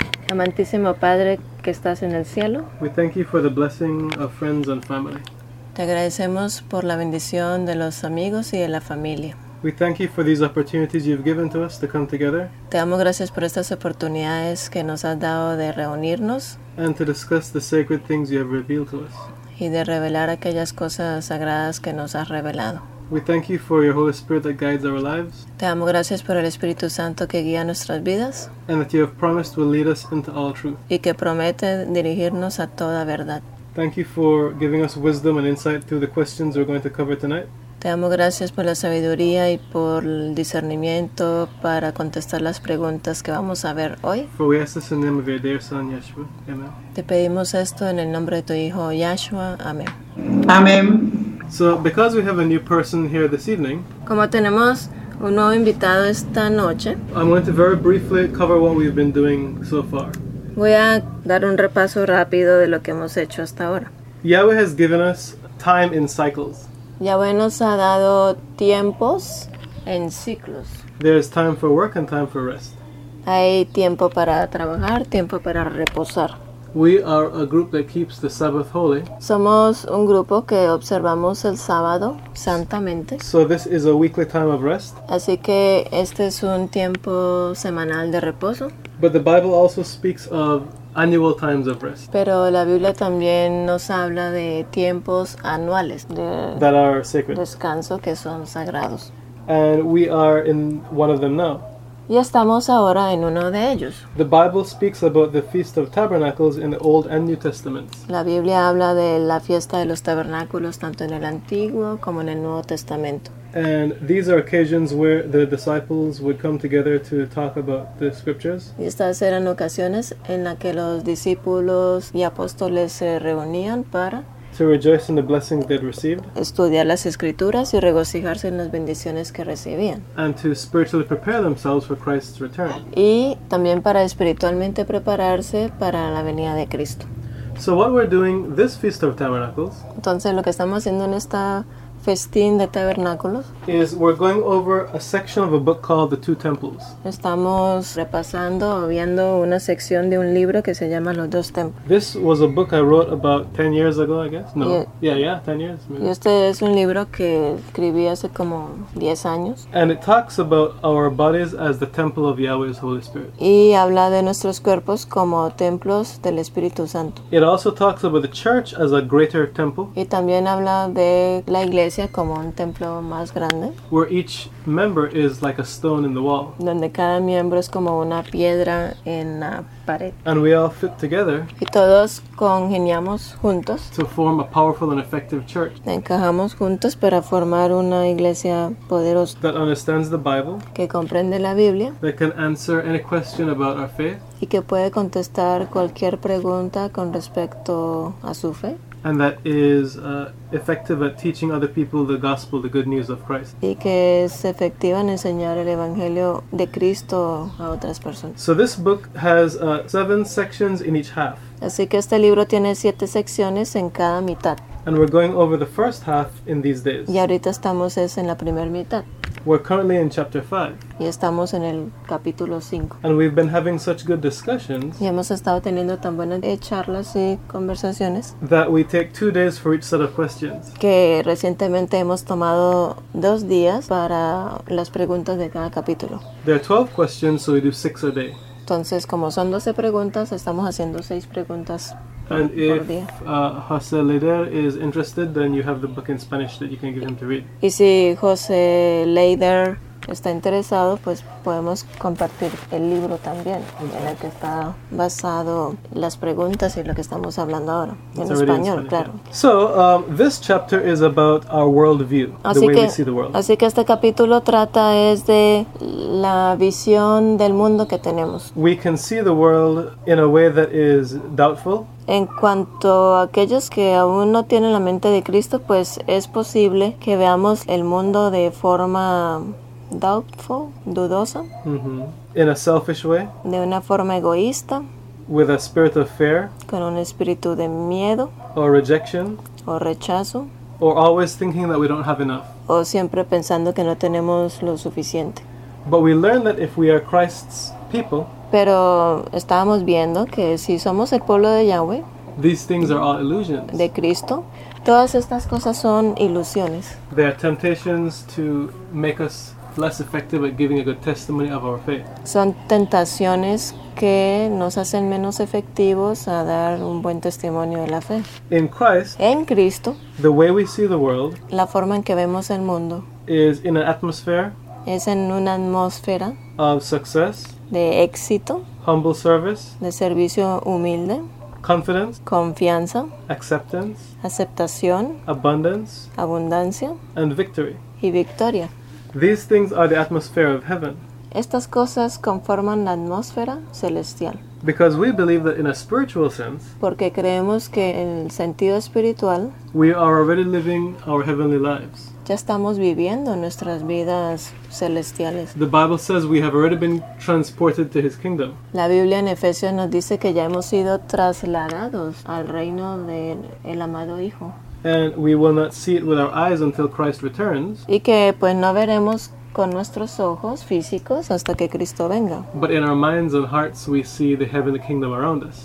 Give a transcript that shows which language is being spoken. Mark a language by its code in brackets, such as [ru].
[es] Amantísimo Padre que estás en el cielo, [en] we thank you for the blessing of friends and family. [es] Te agradecemos por la bendición de los amigos y de la familia. [en] We thank you for these opportunities you've given to us to come together. [es] Te damos gracias por estas oportunidades que nos has dado de reunirnos. [en] And to discuss the sacred things you have revealed to us. [es] Y de revelar aquellas cosas sagradas que nos has revelado. [en] We thank you for your Holy Spirit that guides our lives. [es] Te damos gracias por el Espíritu Santo que guía nuestras vidas. [en] And that you have promised will lead us into all truth. [es] Y que promete dirigirnos a toda verdad. [en] Thank you for giving us wisdom and insight through the questions we're going to cover tonight. [es] Te damos gracias por la sabiduría y por el discernimiento para contestar las preguntas que vamos a ver hoy. [en] For we ask this in the name of your dear son, Yeshua. Amen. [es] Te pedimos esto en el nombre de tu hijo, Yeshua. Amén. Amén. [en] So, because we have a new person here this evening, [es] como tenemos un nuevo invitado esta noche, [en] I'm going to very briefly cover what we've been doing so far. [es] Voy a dar un repaso rápido de lo que hemos hecho hasta ahora. [en] Yahweh has given us time in cycles. [es] Yahweh nos ha dado tiempos en ciclos. [en] There's time for work and time for rest. [es] Hay tiempo para trabajar, tiempo para reposar. [en] We are a group that keeps the Sabbath holy. [es] Somos un grupo que observamos el sábado santamente. [en] So this is a weekly time of rest. [es] Así que este es un tiempo semanal de reposo. [en] But the Bible also speaks of annual times of rest. [es] Pero la Biblia también nos habla de tiempos anuales de [en] that are sacred. [es] Descanso que son sagrados. [en] And we are in one of them now. [es] Y estamos ahora en uno de ellos. [en] The Bible speaks about the Feast of Tabernacles in the Old and New Testaments. [es] La Biblia habla de la fiesta de los tabernáculos tanto en el Antiguo como en el Nuevo Testamento. [en] And these are occasions where the disciples would come together to talk about the scriptures. [es] Y estas eran ocasiones en las que los discípulos y apóstoles se reunían para [en] To rejoice in the blessings they'd received. [es] Estudiar las escrituras y regocijarse en las bendiciones que recibían. [en] And to spiritually prepare themselves for Christ's return. [es] Y también para espiritualmente prepararse para la venida de Cristo. [en] So what we're doing this Feast of Tabernacles. [es] Entonces lo que estamos haciendo en esta Festín de Tabernáculos. [en] Is we're going over a section of a book called The Two Temples. [es] Estamos repasando o viendo una sección de un libro que se llama Los Dos Templos. [en] This was a book I wrote about 10 years ago, I guess. No. Yeah, 10 years. Maybe. [es] Y este es un libro que escribí hace como 10 años. [en] And it talks about our bodies as the temple of Yahweh's Holy Spirit. [es] Y habla de nuestros cuerpos como templos del Espíritu Santo. [en] It also talks about the church as a greater temple. [es] Y también habla de la iglesia como un templo más grande. [en] Where each member is like a stone in the wall. [es] Donde cada miembro es como una piedra en la pared. [en] And we all fit together. [es] Y todos congeniamos juntos. [en] To form a powerful and effective church. [es] Encajamos juntos para formar una iglesia poderosa. [en] That understands the Bible. [es] Que comprende la Biblia. [en] That can answer any question about our faith. [es] Y que puede contestar cualquier pregunta con respecto a su fe. [en] And that is effective at teaching other people the gospel, the good news of Christ. [es] Y que es efectiva en enseñar el evangelio de Cristo a otras personas. [en] So this book has 7 sections in each half. [es] Así que este libro tiene 7 secciones en cada mitad. [en] And we're going over the first half in these days. [es] Y ahorita estamos es en la primera mitad. [en] We're currently in chapter 5. [es] Y estamos en el capítulo 5. [en] And we've been having such good discussions. [es] Y hemos estado teniendo tan buenas charlas y conversaciones. [en] That we take 2 days for each set of questions. [es] Que recientemente hemos tomado 2 días para las preguntas de cada capítulo. [en] There are 12 questions, so we do 6 a day. [es] Entonces, como son 12 preguntas, estamos haciendo 6 preguntas. [en] And if José Leder is interested, then you have the book in Spanish that you can give him to read. [es] Y si José Leder está interesado, pues podemos compartir el libro también, okay. En el que está basado las preguntas y lo que estamos hablando ahora. [en] It's [es] en español, [en] Spanish, [es] claro. [en] Yeah. So, this chapter is about our worldview, [es] así [en] the [es] que, [en] way we see the world. [es] Así que este capítulo trata es de la visión del mundo que tenemos. [en] We can see the world in a way that is doubtful. [es] En cuanto a aquellos que aún no tienen la mente de Cristo, pues es posible que veamos el mundo de forma doubtful, dudosa. [en] In a selfish way. [es] De una forma egoísta. [en] With a spirit of fear. [es] Con un espíritu de miedo. [en] Or rejection. [es] O rechazo. [en] Or always thinking that we don't have enough. [es] O siempre pensando que no tenemos lo suficiente. [en] But we learn that if we are Christ's people. [es] Pero estábamos viendo que si somos el pueblo de Yahweh, [en] these things are all illusions. [es] De Cristo, todas estas cosas son ilusiones. [en] They are temptations to make us less effective at giving a good testimony of our faith. [es] Son tentaciones que nos hacen menos efectivos a dar un buen testimonio de la fe. [en] In Christ, [es] en Cristo, [en] the way we see the world, [es] la forma en que vemos el mundo, [en] is in an atmosphere, [es] es en una atmósfera [en] of success, [es] de éxito, [en] humble service, [es] de servicio humilde, [en] confidence, [es] confianza, [en] acceptance, [es] aceptación, [en] abundance, [es] abundancia, [en] and victory, [es] y victoria. [en] These things are the atmosphere of heaven. [es] Estas cosas conforman la atmósfera celestial. [en] Because we believe that in a spiritual sense, [es] porque creemos que en el sentido espiritual, [en] we are already living our heavenly lives. [es] Ya estamos viviendo nuestras vidas celestiales. [en] The Bible says we have already been transported to his kingdom. [es] La Biblia en Efesios nos dice que ya hemos sido trasladados al reino del amado Hijo. [en] And we will not see it with our eyes until Christ returns. [es] Y que pues no veremos con nuestros ojos físicos hasta que Cristo venga. [en] But in our minds and hearts we see the heavenly kingdom around us.